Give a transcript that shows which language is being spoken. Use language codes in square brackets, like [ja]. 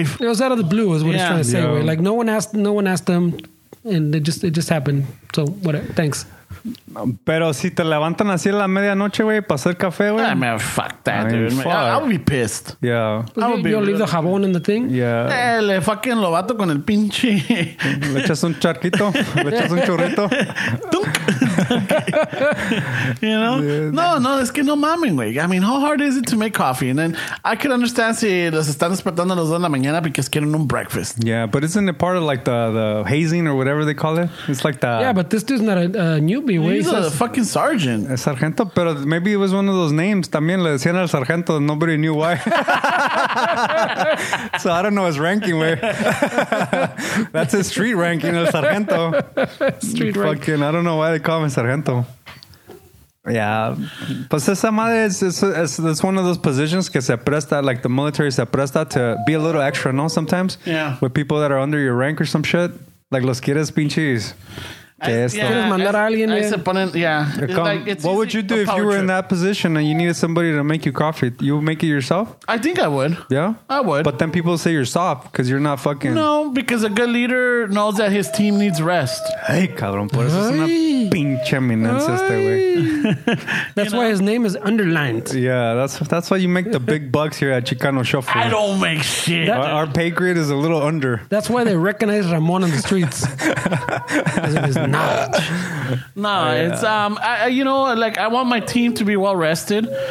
[en] It was out of the blue is what he's trying to say, güey. Like no one asked them and it just happened. So whatever. Thanks. [es] Pero si te levantan así a la medianoche, güey, para hacer café, güey. [en] I mean, fuck that, dude. I would be pissed. Yeah. You'll leave really the jabón in the thing? Yeah. [es] Le fucking lo bato con el pinche. Le echas un charquito. Le echas un churrito. [en] Dunk. You know? Yeah. [es] No, no, es que no mamen, güey. [en] I mean, how hard is it to make coffee? And then I could understand [es] si los están despertando a las 2 de la mañana because quieren un breakfast. [en] Yeah, but isn't it part of like the hazing or whatever they call it? It's like the... Yeah, but this dude's not a newbie, güey. He's a fucking sergeant. A sargento, pero maybe it was one of those names. [es] También le decían al sargento, [en] nobody knew why. So I don't know his ranking, güey. That's his street ranking, el sargento. Street ranking. Fucking, I don't know why they call him sargento. Yeah. [es] Pues esa madre es [en] one of those positions [es] que se presta, [en] like the military se presta to be a little extra, no, sometimes? Yeah. With people that are under your rank or some shit. [es] Like los quieres pinches. ¿Quieres mandar a alguien? Ahí se ponen, yeah. [en] What would you do if you were in that position and you needed somebody to make you coffee? You would make it yourself? I think I would. Yeah? I would. But then people say you're soft because you're not fucking... No, because a good leader knows that his team needs rest. [es] Hey, cabrón, por eso es una pinche eminencia este güey. [en] That's why his name is underlined. Yeah, that's why you make the big bucks here at Chicano Shuffle. I don't make shit. Our pay grade is a little under. That's why they recognize Ramon on the streets. No, oh, yeah. It's I, you know, like I want my team to be well rested.